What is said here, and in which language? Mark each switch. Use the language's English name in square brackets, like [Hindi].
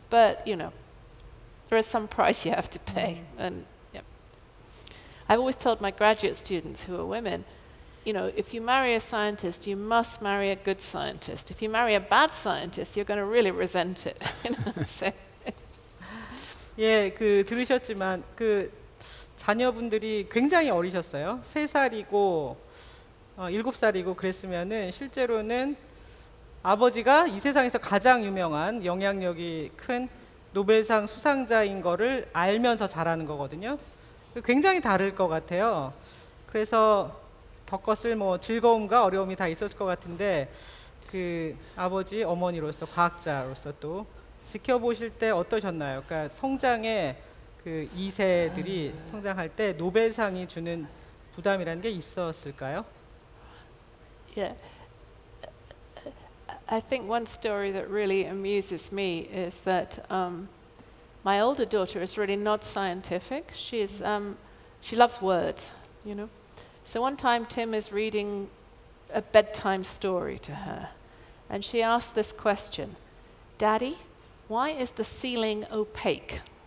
[English] But, you know, there is some price you have to pay. And yeah. I've always told my graduate students who are women, you know, if you marry a scientist, you must marry a good scientist. If you marry a bad scientist, you're going to really resent it. [Korean] 예, 그 들으셨지만 그 자녀분들이 굉장히 어리셨어요. 3살이고 7살이고 그랬으면은 실제로는 아버지가 이 세상에서 가장 유명한 영향력이 큰 노벨상 수상자인 거를 알면서 자라는 거거든요. 굉장히 다를 것 같아요. 그래서 겪었을 뭐 즐거움과 어려움이 다 있었을 것 같은데 그 아버지, 어머니로서, 과학자로서 또 지켜보실 때 어떠셨나요? 그러니까 성장에 그 2세들이 성장할 때 노벨상이 주는 부담이라는 게 있었을까요? [English] Yeah. I think one story that really amuses me is that my older daughter is really not scientific. She's, she loves words, you know. So one time Tim is reading a bedtime story to her and she asked this question, Daddy, why is the ceiling opaque?